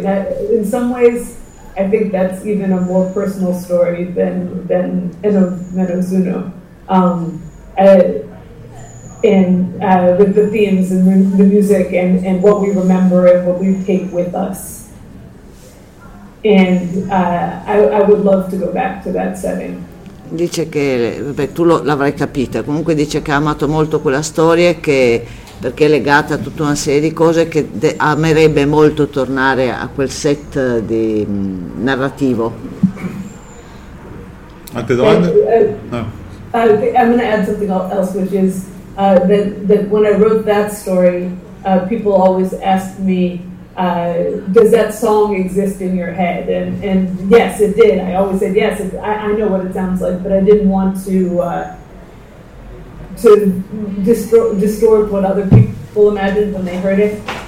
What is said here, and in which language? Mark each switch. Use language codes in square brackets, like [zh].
[en] That in some ways, I think that's even a more personal story than Enno Menozuno. With the themes and the music and what we remember and what we take with us. And I would love to go back to that setting. [it] Dice che, beh, tu l'avrai capita, comunque dice che ha amato molto quella storia, che perché è legata a tutta una serie di cose, che amerebbe molto tornare a quel set di narrativo. Altre domande? [en] I'm going to add something else, which is that when I wrote that story, people always asked me, does that song exist in your head? And yes, it did. I always said yes. I know what it sounds like, but I didn't want to distort what other people imagined when they heard it.